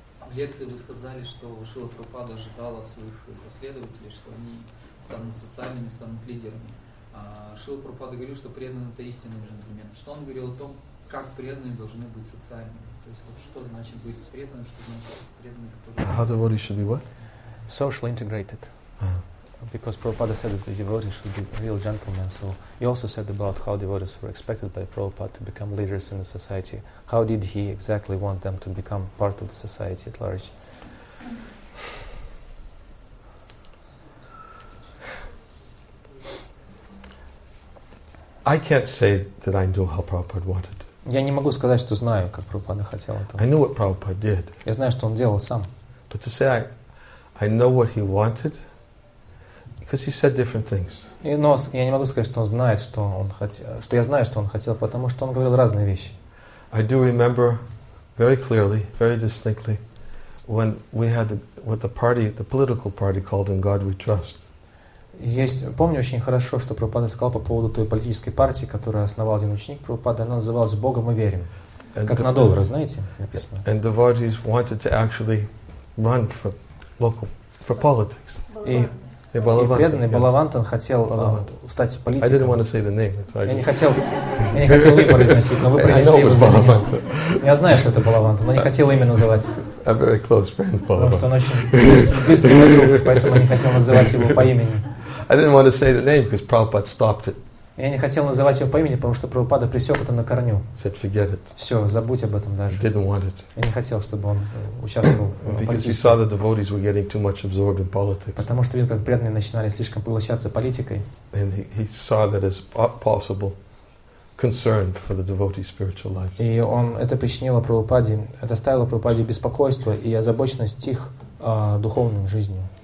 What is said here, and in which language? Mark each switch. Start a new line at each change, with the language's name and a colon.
Russian: В лекции вы сказали, что Шрила Прабхупада ожидала своих последователей, что они станут социальными, станут лидерами. А Шрила Прабхупада говорил, что преданные — это истинные джентльмены. Что он говорил о том, как преданные должны быть социальными? То есть, вот что значит быть преданным, что значит преданный, который...
English: How the body should be what? Socially integrated, because Prabhupada said that the devotees should be real gentlemen. So he also said about how devotees were expected by Prabhupada to become leaders in the society. How did he exactly want them to become part of the society at large? I can't say that I know how Prabhupada wanted.
Russian: Я не могу сказать, что знаю, как Прабхупада хотел этого.
English: I know what Prabhupada did.
Russian: Я знаю, что он делал сам.
English: But to say I know what he wanted, because he said different things.
Russian: Но я не могу сказать, что он знает, что он хотел, что я знаю, что он хотел, потому что он говорил разные вещи.
English: I do remember very clearly, very distinctly, when we had what the party, the political party called "In God We Trust."
Russian: Есть, помню очень хорошо, что Прабхупада сказал по поводу той политической партии, которую основал один ученик Прабхупады, она называлась "Богом мы верим", как на доллары, знаете, написано.
English: And the devotees wanted to actually run for. Local for politics.
Russian: И преданный Балавантан хотел стать политиком.
English: I didn't want to say the name. That's why.
Russian: Я не хотел имя произносить, но вы произнесли его за меня. Я знаю, что это Балавантан, но не хотел имя называть.
English: A very close friend, Balavantan.
Russian: Потому что он очень близкий друг, поэтому я не хотел называть его по имени.
English: I didn't want to say the name because Prabhupada stopped it.
Russian: Я не хотел называть его по имени, потому что Прабхупада пресек это на корню.
English: Said forget it.
Russian: Все, забудь об этом даже.
English: Didn't want it.
Russian: Я не хотел, чтобы он участвовал в политике.
English: Because he saw that the devotees were getting too much absorbed in politics.
Russian: Потому что видел, как преданные начинали слишком поглощаться политикой.
English: And he saw that as possible concern for the devotee's spiritual life.
Russian: И он это причинило Прабхупаде, это ставило Прабхупаде беспокойство и озабоченность их духовной жизни.